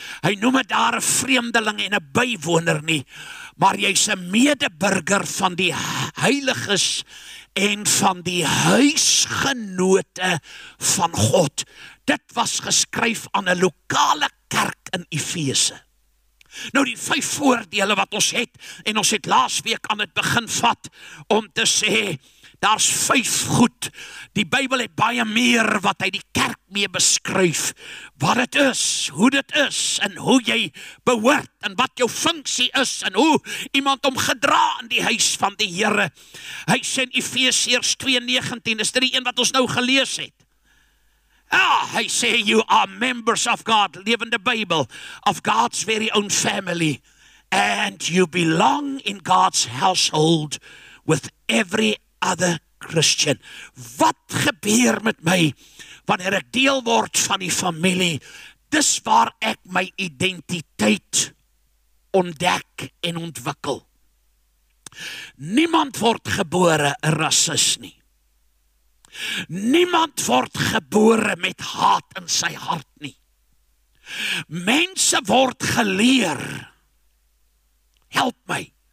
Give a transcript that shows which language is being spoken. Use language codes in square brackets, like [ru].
[af] Hy noem dit daar 'n vreemdeling en 'n bywoner nie. Maar jy's 'n medeburger van die heiliges en van die huisgenote van God. Dit was geskryf aan 'n lokale kerk in Efese. Nou die 5 voordele wat ons het, en ons het laas week aan het begin vat om te sê, daar's 5 goed. Die Bybel het baie meer wat hy die kerk mee beskryf. Wat dit is, hoe dit is en hoe jy behoort en wat jou funksie is en hoe iemand om gedra in die huis van die Here. Hy sê in Efesiërs 2:19, is dit die een wat ons nou gelees het. [en] Ah, [af] hy sê [en] you are members of God, living the Bible, of God's very own family and you belong in God's household with every other Christian. [af] Wat gebeur met my wanneer ek deel word van die familie? Dis waar ek my identiteit ontdek en ontwikkel. Niemand word gebore 'n rasis nie. Niemand word gebore met haat in sy hart nie. Mense word geleer. Help my.